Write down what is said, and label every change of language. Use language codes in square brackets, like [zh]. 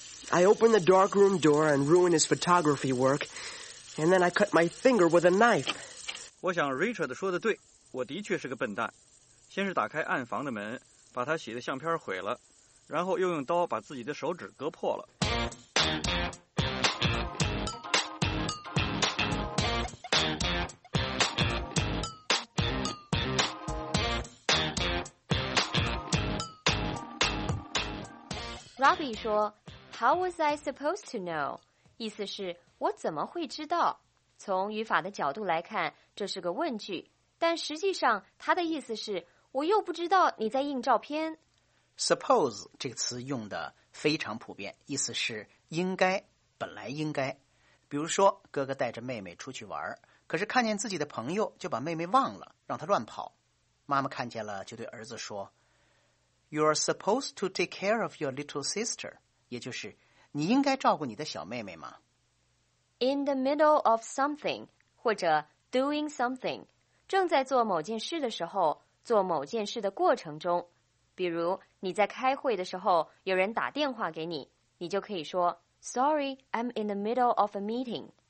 [en] I opened the darkroom door and ruined his photography work, and then I cut my finger with a knife. [zh] 我想 Richard 说的对，我的确是个笨蛋。先是打开暗房的门，把他洗的相片毁了，然后又用刀把自己的手指割破了。 [en] Robbie [zh] 说 [en] How was I supposed to know? [zh] 意思是我怎么会知道？从语法的角度来看，这是个问句，但实际上它的意思是我又不知道你在印照片。 Suppose 这个词用的非常普遍，意思是应该，本来应该。比如说哥哥带着妹妹出去玩，可是看见自己的朋友就把妹妹忘了，让她乱跑。妈妈看见了就对儿子说 [en] You are supposed to take care of your little sister. [zh] 也就是你应该照顾你的小妹妹吗 [en] In the middle of something, [zh] 或者 [en] doing something, [zh] 正在做某件事的时候，做某件事的过程中。比如你在开会的时候，有人打电话给你，你就可以说 [en] Sorry, I'm in the middle of a meeting.